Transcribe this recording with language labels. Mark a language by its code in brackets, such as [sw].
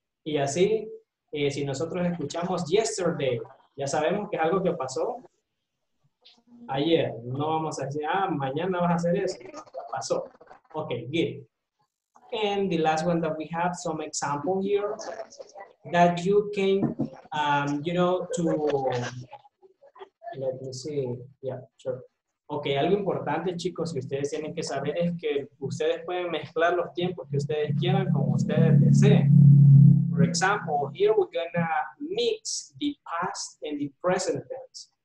[es] Y así, si nosotros escuchamos yesterday, ya sabemos que es algo que pasó ayer. No vamos a decir, mañana vas a hacer eso. Pasó. [en] Ok, good. And the last one that we have, some example here, that you can, you know, to, let me see, yeah, sure. [es] Okay, algo importante, chicos, que ustedes tienen que saber es que ustedes pueden mezclar los tiempos que ustedes quieran como ustedes deseen. [en] For example, here we're gonna mix the past and the present tense.